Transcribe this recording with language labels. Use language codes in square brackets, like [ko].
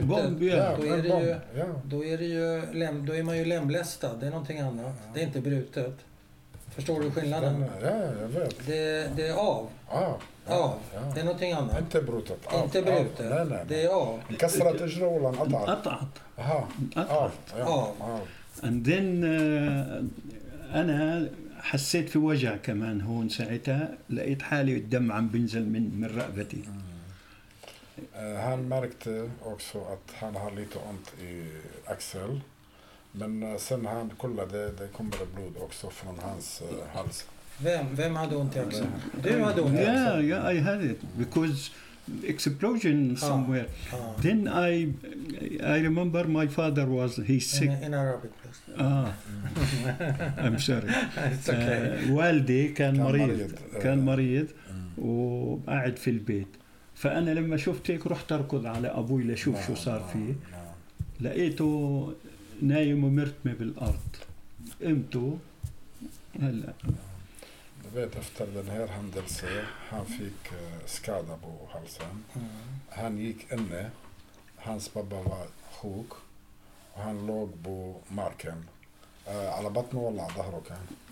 [sv] Bomb, då är man ju lemlästad. Det är någonting annat. Ja. Det är inte brutet. Förstår du skillnaden? Ja, jag vet. Det är av. Ja. Ja, det är någonting annat. Inte brutet. Inte brutet. Nej, nej, nej. Det är av. Kastrat är rollen att allt. Att allt. Aha. Att allt. Ja. [en] And then [ar] ana حسيت في وجع كمان هون ساعتها لقيت حالي الدم عم بينزل من رقبتي. [sv] Han märkte också att han har lite ont i axel. Men sen han kollade, det kommer blod också från hans hals. Vem hade ont i axeln? Du hade ont i axeln? [en] Yeah, I had it. Because explosion somewhere. Then I remember my father was, he's sick. In Arabic. I'm sorry. It's okay. [ar] والدي كان مريض. كان مريض. وقاعد في البيت. فأنا لما شفت هيك رحت أركض على أبوي لشوف شو صار فيه. لقيته... نايم ومرتمي بالأرض امتو هلا [sv] du vet efter den här händelse han fick skada på halsen han gick inne hans pappa var sjuk och han låg på marken [ar] على بطنه ولا ظهره كان